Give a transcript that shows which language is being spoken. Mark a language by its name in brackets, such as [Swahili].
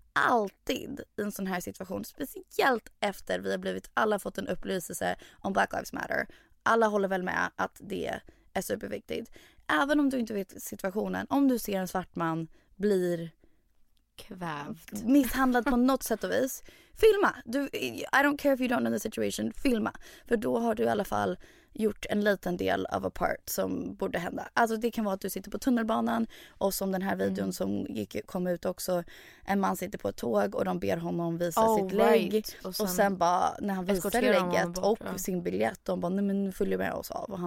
[Swedish] alltid i en sån här situation, speciellt efter vi har blivit, alla har fått en upplysning om Black Lives Matter. Alla håller väl med att det är superviktigt. Även om du inte vet situationen, om du ser en svart man blir kvävt, misshandlad på något sätt och vis, filma. Du, [English] I don't care if you don't know the situation, [Swedish] filma. För då har du i alla fall gjort en liten del av [English] a part [Swedish] som borde hända. Alltså det kan vara att du sitter på tunnelbanan och som den här videon som gick, kom ut också, en man sitter på ett tåg och de ber honom visa sitt lägg. Och sen bara när han visar lägget och sin biljett, de bara, nej men följ med oss av.